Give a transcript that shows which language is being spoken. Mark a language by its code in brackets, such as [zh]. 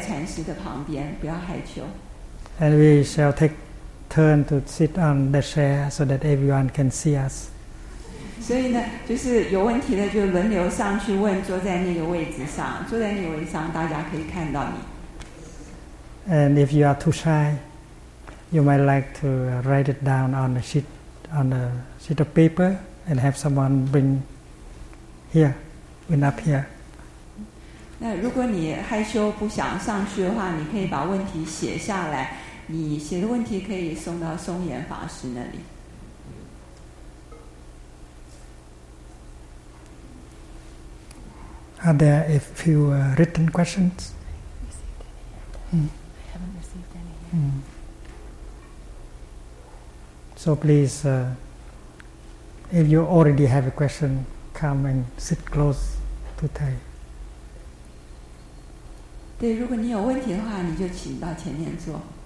[zh] 你要是心里面有问题，问题准备好的话，你可以到前面去，就坐在禅师的旁边，不要害羞。 [en] And we shall take turn to sit on the chair so that everyone can see us. [zh] 所以呢，就是有问题的就轮流上去问，坐在那个位置上，坐在那个位置上，大家可以看到你。 [en] And if you are too shy, you might like to write it down on a sheet, of paper, and have someone bring bring up here. [zh] 那如果你害羞不想上去的话，你可以把问题写下来。你写的问题可以送到松岩法师那里。 [en] Are there a few written questions? I haven't received any yet. So please, if you already have a question, come and sit close to Thay. [zh] 对，如果你有问题的话，你就请到前面坐。